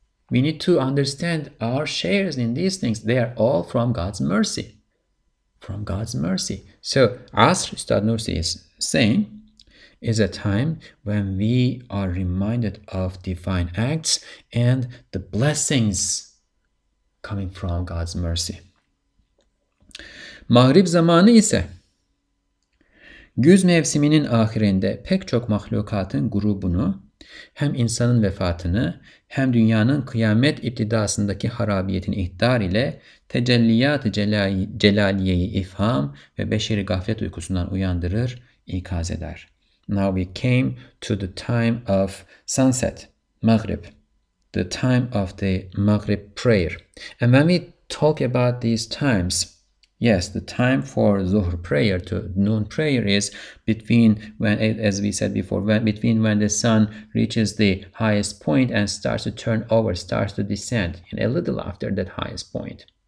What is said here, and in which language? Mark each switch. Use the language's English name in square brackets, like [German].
[English] We need to understand our shares in these things. They are all from God's mercy. From God's mercy. So Asr, Ustad Nursi is saying, is a time when we are reminded of divine acts and the blessings coming from God's mercy. [Turkish] Maghrib zamanı ise, güz mevsiminin ahirinde pek çok mahlukatın grubunu, hem insanın vefatını, hem dünyanın kıyamet iptidasındaki harabiyetin ihtar ile tecelliyat-ı celaliyeyi ifham ve beşeri gaflet uykusundan uyandırır, ikaz eder. [English] Now we came to the time of sunset, Maghrib, the time of the Maghrib prayer. And when we talk about these times, yes, the time for Zuhr prayer, to noon prayer, is between when, as we said before, when, between when the sun reaches the highest point and starts to turn over, starts to descend, and a little after that highest point.